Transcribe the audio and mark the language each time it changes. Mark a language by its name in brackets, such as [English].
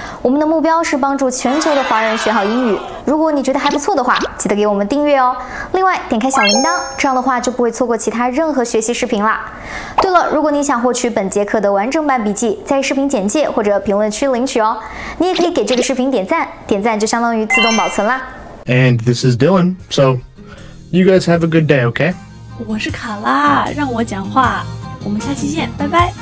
[Chinese] 我们的目标是帮助全球的华人学好英语，如果你觉得还不错的话，记得给我们订阅哦。另外点开小铃铛，这样的话就不会错过其他任何学习视频了。对了，如果你想获取本节课的完整版笔记，在视频简介或者评论区领取哦。你也可以给这个视频点赞，点赞就相当于自动保存啦。 [English] And this is Dylan, so you guys have a good day, okay? [Chinese] 我是卡拉，让我讲话，我们下期见，拜拜。